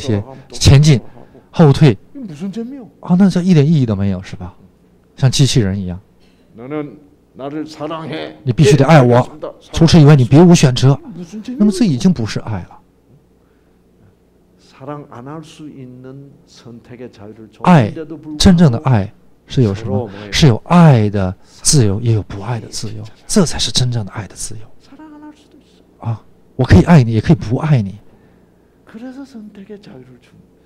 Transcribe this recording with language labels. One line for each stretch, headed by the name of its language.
Chinese: 如果没有爱的对象的话，他这个爱就没有施予的对象。那为了把他的爱施予对方，他就需要一个爱的对象。那么他创造了一个爱的对象。他创造那些像军队一样，一呼百应的那些前进、后退。
Korean: 무슨 재미요? 아, 나 진짜 이런 이익도
Chinese: 没有, 是吧? 像机器人一样.
Korean: 너는 나를 사랑해.
Chinese: 你必须得爱我.除此以外你别无选择.
Korean: 무슨 재미?
Chinese: 那么这已经不是爱了.
Korean: 사랑 안 할 수 있는 선택의 자유를 줬는데도 불구하고.
Chinese: 真正的爱是有什么？是有爱的自由，也有不爱的自由. 这才是真正的爱的自由.
Korean: 사랑 안 할 수도 있어.
Chinese: 아, 我可以爱你，也可以不爱你.
Korean: 그래서 선택의 자유를 준.